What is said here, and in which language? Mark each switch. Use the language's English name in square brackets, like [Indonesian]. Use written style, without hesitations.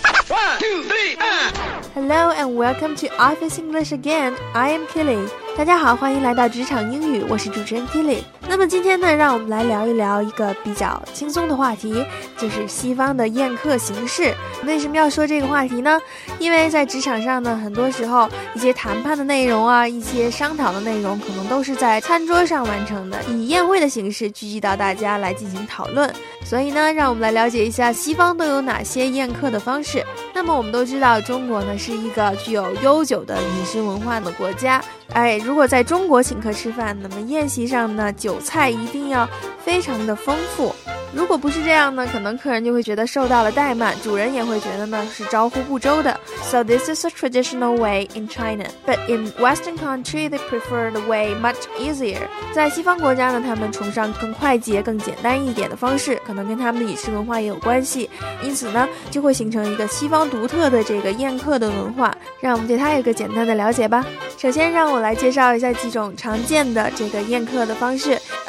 [English] Hello and welcome to Office English again. I am Kelly. [Chinese] 大家好，欢迎来到职场英语，我是主持人 Kelly。那么今天呢，让我们来聊一聊一个比较轻松的话题，就是西方的宴客形式。为什么要说这个话题呢？因为在职场上呢，很多时候一些谈判的内容啊，一些商讨的内容，可能都是在餐桌上完成的，以宴会的形式聚集到大家来进行讨论。所以呢，让我们来了解一下西方都有哪些宴客的方式。那么我们都知道，中国呢是一个具有悠久的饮食文化的国家。哎，如果在中国请客吃饭，那么宴席上呢，酒菜一定要非常的丰富。如果不是这样呢，可能客人就会觉得受到了怠慢，主人也会觉得呢是招呼不周的。 [English] So this is a traditional way in China, but in Western country they prefer the way much easier. [Chinese] 在西方国家呢，他们崇尚更快捷、更简单一点的方式，可能跟他们的饮食文化也有关系。因此呢，就会形成一个西方独特的这个宴客的文化。让我们对它有个简单的了解吧。首先，让我来介绍一下几种常见的这个宴客的方式。